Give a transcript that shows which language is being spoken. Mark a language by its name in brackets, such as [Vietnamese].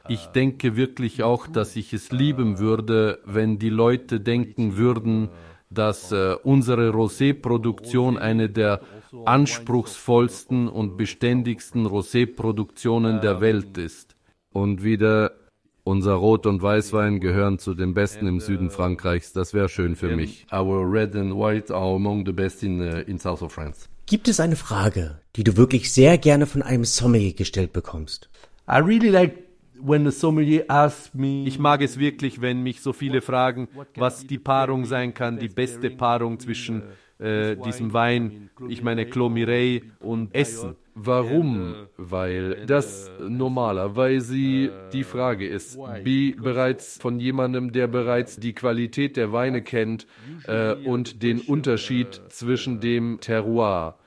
[German] Ich denke wirklich auch, dass ich es lieben würde, wenn die Leute denken würden, dass unsere Rosé-Produktion eine der anspruchsvollsten und beständigsten Rosé-Produktionen der Welt ist. Und wieder, unser Rot- und Weißwein gehören zu den Besten im Süden Frankreichs. Das wäre schön für mich. [English] Our red and white are among the best in south of France. [German] Gibt es eine Frage, die du wirklich sehr gerne von einem Sommelier gestellt bekommst? [English] I really like when the sommelier asks me. [German] Ich mag es wirklich, wenn mich so viele fragen, was die Paarung sein kann, die beste Paarung zwischen diesem Wein, ich meine Clomerey und Essen. Warum? Weil das normalerweise die Frage ist, wie bereits von jemandem, der bereits die Qualität der Weine kennt und den Unterschied zwischen dem Terroir.